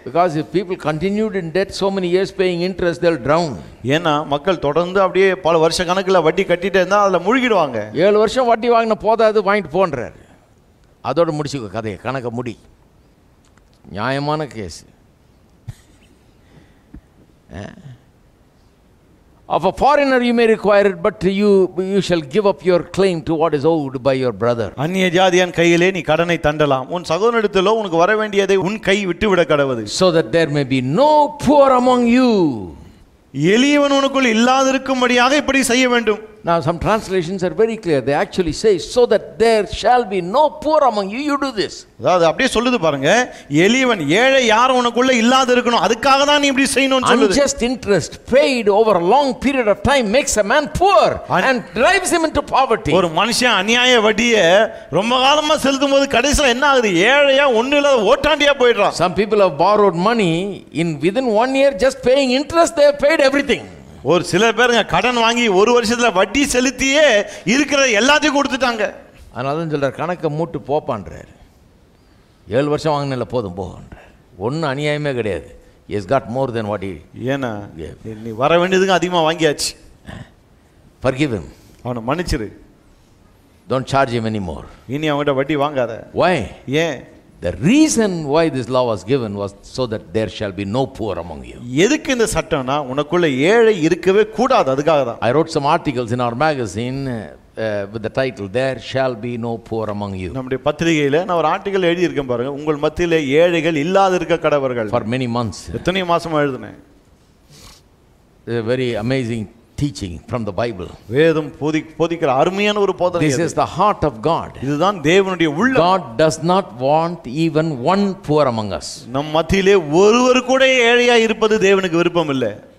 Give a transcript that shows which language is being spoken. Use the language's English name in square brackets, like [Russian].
[English] Because if people continued in debt so many years paying interest, they'll drown. [Tamil] ஏனா மக்கள் தொடர்ந்து அப்படியே பல வருஷ கணக்குல வட்டி கட்டிட்டே இருந்தா அதல முழுகிடுவாங்க. 7 வருஷம் வட்டி வாங்கின போதாது, வாங்கிட்டு போன்றாரு. அதோட முடிச்சுக்கோ கதையை, கணக்க முடி. நியாயமான case. [English] Of a foreigner you may require it, but you shall give up your claim to what is owed by your brother. [Tamil] அந்நிய ஜாதியன் கையிலே நீ கடனை தண்டலாம், உன் சகோதரனிடத்திலோ உனக்கு வர வேண்டியதை உன் கை விட்டு விட கடவுது. [English] So that there may be no poor among you. [Tamil] எளியவன் உனக்குள் இல்லாதிருக்கும்படியாக இப்படி செய்ய வேண்டும். [English] Now some translations are very clear. They actually say so that there shall be no poor among you. You do this. [Tamil] அது அப்படியே சொல்லுது பாருங்க. எளியவன் ஏழை யார் உனக்குள்ள இல்லாத இருக்கணும் அதுக்காக தான் நீ இப்படி செய்யணும்னு சொல்லுது. [English] Unjust interest paid over a long period of time makes a man poor and drives him into poverty. [Tamil] ஒரு மனுஷன் அநியாய வட்டியை ரொம்ப காலமா செலுத்தும் போது கடைசில என்ன ஆகுது? ஏழையா ஒண்ணு இல்லாத ஓட்டாண்டியா போயிடுறான். [English] Some people have borrowed money in within 1 year just paying interest. They have paid everything. [Tamil] ஒரு சில பேருங்க கடன் வாங்கி ஒரு வருஷத்துல வட்டி செலுத்தியே இருக்கிறத எல்லாத்தையும் கொடுத்துட்டாங்க. அதனாலதான் சொல்ற கணக்கை மூட்டு போப்பான்றார். 7 வருஷம் வாங்கினால போதும் போகன்றார். ஒன்னும் அநியாயமே கிடையாது. [English] He has got more than what he. [Tamil] ஏன்னா நீ வர வேண்டியதுங்க அதிகமா வாங்கியாச்சு. [English] Forgive him. [Tamil] அவனை மன்னிச்சிரு. [English] Don't charge him anymore. [Tamil] இனி அவன்கிட்ட வட்டி வாங்காத. [English] Why? [Tamil] ஏன்? [English] The reason why this law was given was so that there shall be no poor among you. [Tamil] எதுக்கு இந்த சட்டம்னா உனக்குள்ள ஏழை இருக்கவே கூடாது அதுக்காக தான். [English] I wrote some articles in our magazine with the title there shall be no poor among you. [Tamil] நம்முடைய பத்திரிகையில நான் ஒரு ஆர்டிகல் எழுதி இருக்கேன் பாருங்க. உங்கள் மத்தியில் ஏழைகள் இல்லாத இருக்க கடவர்கள். [English] For many months. [Tamil] எத்தனை மாசமா எழுதினேன். [English] A very amazing teaching from the Bible. [Tamil] வேதம் போதிக்கிற அருமையான ஒரு போதனை. [English] This is the heart of God. [Tamil] இதுதான் தேவனுடைய உள்ளம். [English] God does not want even one poor among us. [Tamil] நம் மத்தியிலே ஒருவர் கூட ஏழையா இருப்பது தேவனுக்கு விருப்பம் இல்ல.